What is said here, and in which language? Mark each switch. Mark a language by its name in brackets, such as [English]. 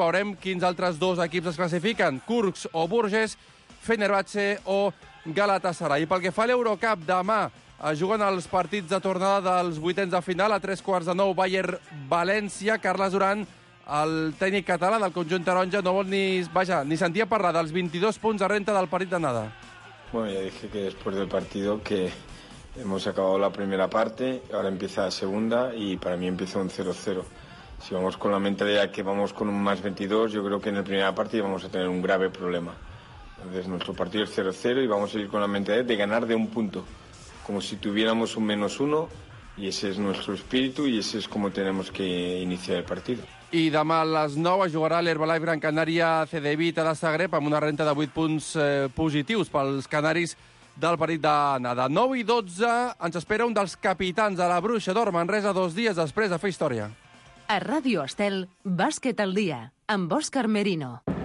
[Catalan] Veurem quins altres dos equips es classifiquen, Kursk o Burges, Fenerbahçe o Galatasaray. I pel que fa a l'Eurocup, demà juguen els partits de tornada dels vuitens de final, a 8:45, Bayern-València. Carles Durant, el tècnic català del conjunt taronja, no vol ni sentir a parlar dels 22 punts de renta del partit d'anada. [Spanish] Bueno, ya dije que después del partido que hemos acabado la primera parte, ahora empieza la segunda y para mí empieza un 0-0. Si vamos con la mentalidad que vamos con un más 22, yo creo que en la primera parte vamos a tener un grave problema. Entonces nuestro partido es 0-0 y vamos a ir con la mentalidad de ganar de un punto, como si tuviéramos un menos uno, y ese es nuestro espíritu y ese es como tenemos que iniciar el partido. [Catalan] I demà a les 9 jugarà l'Herbalife Gran Canària CDVita de Zagreb amb una renta de 8 punts positius pels canaris del partit d'anada. 9:12 ens espera un dels capitans de la Bruixa d'Or, Manresa, dos dies després de fer història. A Ràdio Estel, Bàsquet al Dia, amb Òscar Merino.